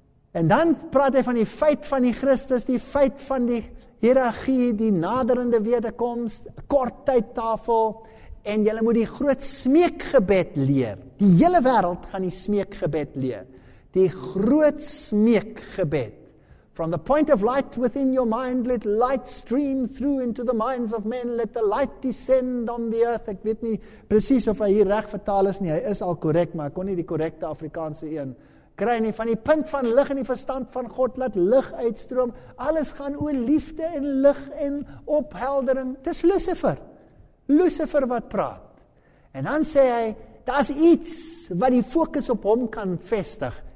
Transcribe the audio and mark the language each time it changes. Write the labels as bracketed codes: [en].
[af] En dan praat hy van die feit van die Christus, die feit van die hiërargie, die naderende wederkoms, kort tyd tafel, en jy moet die groot smeekgebed leer. Die hele wêreld gaan die smeekgebed leer. Die groot smeekgebed. [en] From the point of light within your mind, let light stream through into the minds of men, let the light descend on the earth. [af] Ek weet nie presies of hy hier reg vertaal is nie, hy is al korrek, maar ek kon nie die korrekte Afrikaanse een kry nie. Van die punt van lig in die verstand van God, laat lig uitstroom. Alles gaan oor liefde en lig en opheldering. Dis Lucifer. Lucifer wat praat. En dan sê hy, daar's iets wat die fokus op hom kan vestig.